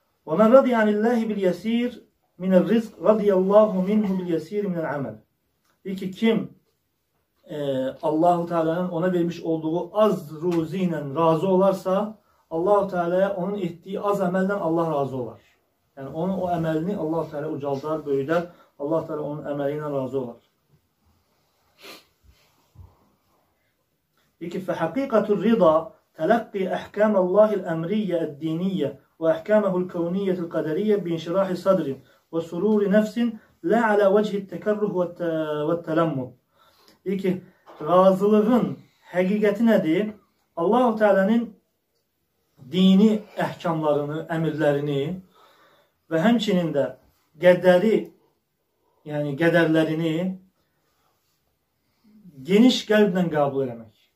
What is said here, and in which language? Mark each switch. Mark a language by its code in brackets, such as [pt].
[ar] وَمَنْ رَضِيَ عَنِ اللّٰهِ بِالْيَس۪يرِ مِنَ الرِّزْقِ رَضِيَ اللّٰهُ مِنْهُ بِالْيَس۪يرِ مِنَ الْعَمَلِ [az] Deyir ki, kim Allah-u Teala'nın ona vermiş olduğu az ruzi ilə razı olarsa, Allah-u Teala'ya onun etdiyi az əməldən Allah razı olar. Yəni, onun o əməlini Allah-u Teala ucaldar, böyüdər, Allah-u Teala onun əməliyinə razı olar. Deyir ki, [ar] فَحَقِيقَةُ الرِّضَى تَلَقِّي أَحْكَامَ اللّٰهِ الْأَمْرِيَّ الدِّينِيَّ وأحكامه الكونية القدرية بانشراح صدر وسرور نفس لا على وجه التكره والتلمذ. [az] Deyir ki, razılığın həqiqəti nədir? Allahu Teala'nın dini əhkamlarını, əmrlərini və həmçinin də qədəri, yəni qədərlərini geniş qəlblə qəbul etmək.